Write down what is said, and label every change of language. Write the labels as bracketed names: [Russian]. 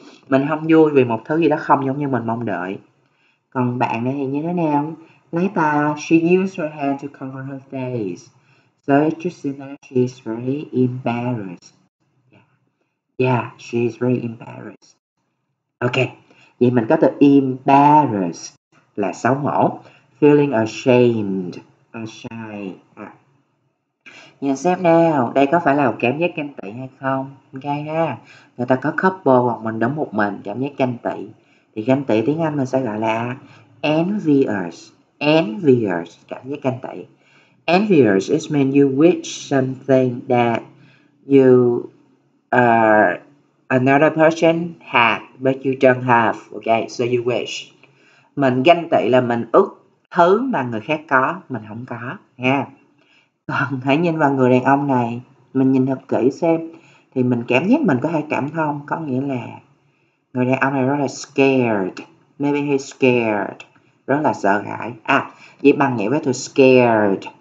[Vietnamese] Mình không vui vì một thứ gì đó không giống như mình mong đợi. Còn bạn này thì như thế nào? [English] Lấy ta, she used her hand to cover her face. So it just seems that she is very embarrassed. Yeah, she is very embarrassed. [Vietnamese] Ok, vậy mình có từ embarrassed là xấu hổ. [English] Feeling ashamed, shy. [Vietnamese] À. Nhìn xem nào, đây có phải là một cảm giác ganh tị hay không? Ok ha, người ta có couple hoặc mình đứng một mình, cảm giác ganh tị. Thì ganh tị tiếng Anh mình sẽ gọi là envious, cảm giác ganh tị. [English] Envious is when you wish something that you another person had but you don't have. Okay, so you wish. [Vietnamese] Mình ganh tị là mình ước thứ mà người khác có, mình không có. Yeah. Còn hãy nhìn vào người đàn ông này, mình nhìn thật kỹ xem, thì mình cảm giác mình có thể cảm thông, có nghĩa là người đàn ông này rất là scared. [English] Maybe he's scared. [Vietnamese] Rất là sợ hãi. À, vậy bằng nghĩa với từ scared.